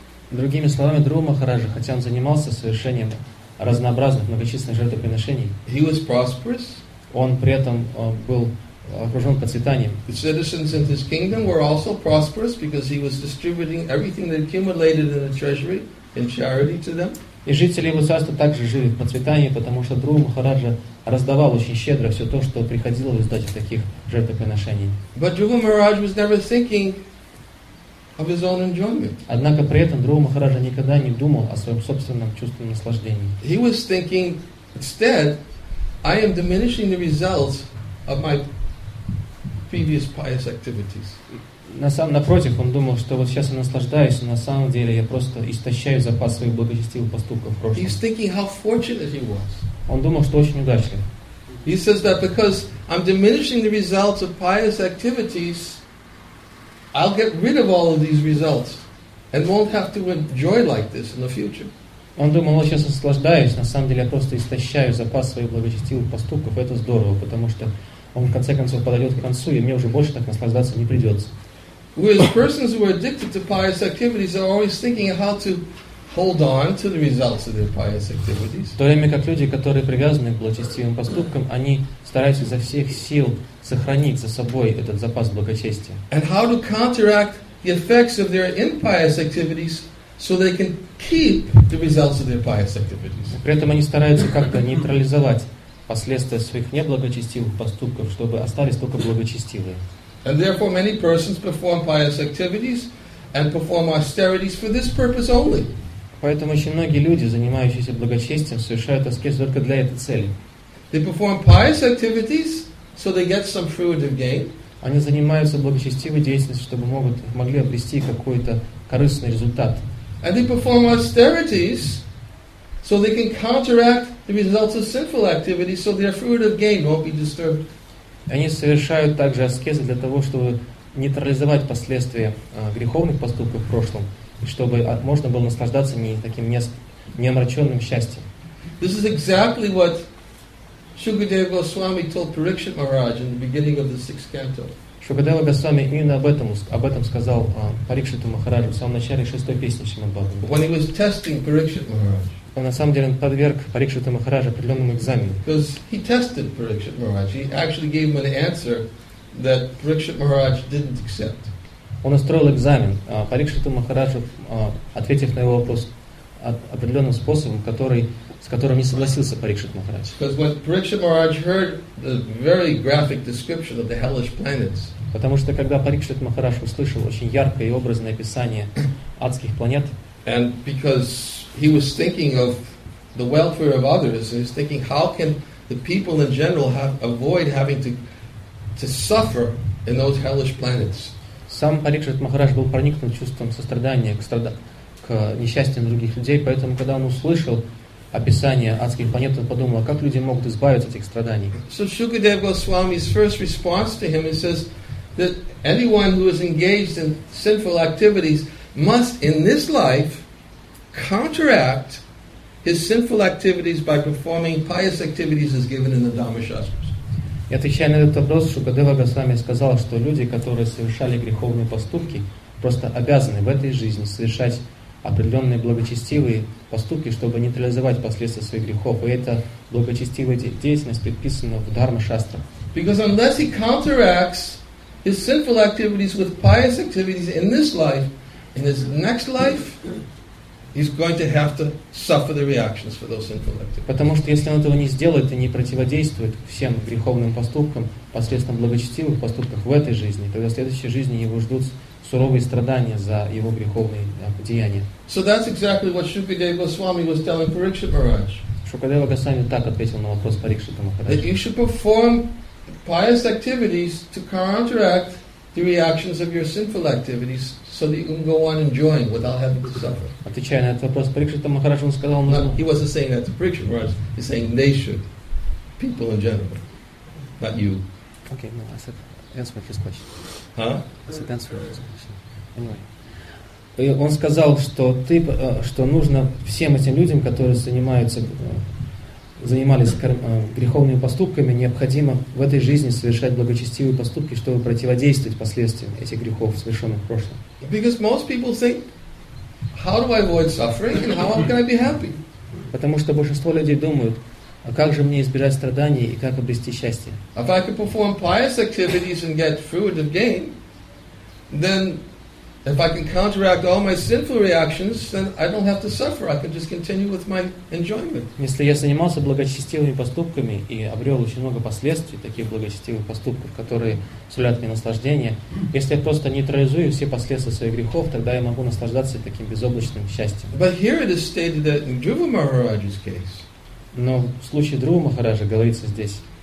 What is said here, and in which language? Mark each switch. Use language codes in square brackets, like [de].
[ru] Другими словами, Друва Махараджа, хотя он занимался совершением разнообразных многочисленных жертвоприношений, [en] he was prosperous. [ru] Он при этом был окружен процветанием. [en] The citizens in his kingdom were also prosperous because he was distributing everything that accumulated in the treasury in charity to them. [ru] И жители его царства также жили в процветании, потому что Друва Махараджа раздавал очень щедро все то, что приходило в результате таких жертвоприношений. [en] But Dhruva Maharaj was never thinking of his own enjoyment. [ru] Однако при этом Друва Махараджа никогда не думал о своем собственном чувстве наслаждения. [en] He was thinking instead, I am diminishing the results of my previous pious activities. [ru] Напротив, он думал, что вот сейчас я наслаждаюсь, но на самом деле я просто истощаю запас своих благочестивых поступков в прошлом. [en] He's thinking how fortunate he was. [ru] Он думал, что очень удачлив. [en] He says that because I'm diminishing the results of pious activities, I'll get rid of all of these results and won't have to enjoy like this in the future. [ru] Он думал, сейчас я наслаждаюсь, на самом деле я просто истощаю запас своих благочестивых поступков. Это здорово, потому что он в конце концов подойдет к концу, и мне уже больше так наслаждаться не придется. [en] Whereas persons who are addicted to pious activities are always thinking how to hold on to the results of their pious activities. [ru] В то время как люди, которые привязаны к благочестивым поступкам, они стараются изо всех сил сохранить за собой этот запас благочестия. [en] And how to counteract the effects of their impious activities so they can keep the results of their pious activities. [ru] При этом они стараются как-то нейтрализовать последствия своих неблагочестивых поступков, чтобы остались только благочестивые. [en] And therefore many persons perform pious activities and perform austerities for this purpose only. [ru] Поэтому очень многие люди, занимающиеся благочестием, совершают аскезу только для этой цели. [en] They perform pious activities so they get some fruit of gain. [ru] Они занимаются благочестивой деятельностью, чтобы могли обрести какой-то корыстный результат. [en] And they perform austerities so they can counteract the results of sinful activities so their fruit of gain won't be disturbed. [ru] Они совершают также аскезы для того, чтобы нейтрализовать последствия греховных поступков в прошлом, и чтобы можно было наслаждаться не таким неомраченным счастьем. [en] This is exactly what Shukadeva Goswami told Parikshit Maharaj in the beginning of the sixth canto. [ru] Шукадева Госвами именно об этом сказал Парикшиту Махараджу в самом начале шестой песни Шримад-Бхагаватам. [en] When he was testing Parikshit Maharaj. [ru] Он на самом деле подверг Парикшиту Махараджа определенному экзамену. [en] Because he tested Parikshit Maharaj. He actually gave him an answer that Parikshit Maharaj didn't accept. [ru] Он устроил экзамен Парикшиту Махараджу, ответив на его вопрос определенным способом, с которым не согласился Парикшит Махарадж. [en] Because when Parikshit Maharaj heard the very graphic description of the hellish planets. [ru] Потому что когда Парикшит Махарадж услышал очень яркое и образное описание адских планет. [en] And because he was thinking of the welfare of others, he was thinking how can the people in general avoid having to suffer in those hellish planets. [ru] Сам Парикшит Махарадж был проникнут чувством сострадания к несчастьям других людей, поэтому когда он услышал описание адских планет, он подумал, а как люди могут избавиться от этих страданий. [en] So Shukadeva Goswami's first response to him, he says that anyone who is engaged in sinful activities must in this life counteract his sinful activities by performing pious activities as given in the Dhamma Shastras. [ru] И отвечая на этот вопрос, Шукадева Госвами сказал, что люди, которые совершали греховные поступки, просто обязаны в этой жизни совершать определенные благочестивые поступки, чтобы нейтрализовать последствия своих грехов. И эта благочестивая деятельность предписана в Дхарма-шастрах. [en] Because unless he counteracts his sinful activities with pious activities in this life, in his next life, he's going to have to suffer the reactions for those sinful activities. [ru] Потому что если он этого не сделает и не противодействует всем греховным поступкам, последствиям благочестивых поступков в этой жизни, тогда в следующей жизни его ждут суровые страдания за его греховные деяния. [en] So that's exactly what Shukadeva Goswami was telling Parikshit Maharaj. [ru] Шукадева Госвами так ответил на вопрос Парикшита Махараджа. [en] That you should perform pious activities to counteract the reactions of your sinful activities so that you can go on enjoying without having to suffer. [ru] Отвечая на этот вопрос, Парикшита Махарадж, он сказал, нужно... [en] He wasn't saying that to Parikshita Maharaj, he's saying they should. People in general. Not you. Okay, no, I said, answer his question. Huh? I said, answer his question. Anyway. [ru] И он сказал, что ты, что нужно всем этим людям, которые занимаются, занимались греховными поступками, необходимо в этой жизни совершать благочестивые поступки, чтобы противодействовать последствиям этих грехов, совершенных в прошлом. [en] Because most people think, how do I avoid suffering and how can I be happy? [ru] Потому что большинство людей думают, а как же мне избежать страданий и как обрести счастье? [en] If I could perform pious activities and get fruit of gain, then if I can counteract all my sinful reactions, then I don't have to suffer. I can just continue with my enjoyment. [ru] Если я занимался благочестивыми поступками и обрел очень много последствий таких благочестивых поступков, которые сулят мне наслаждение, если я просто нейтрализую все последствия своих грехов, тогда я могу наслаждаться таким безоблачным счастьем. [en] But here it is stated that in Dhruva Maharaj's case. [ru] Но в случае Дхрувы Махараджа говорится здесь.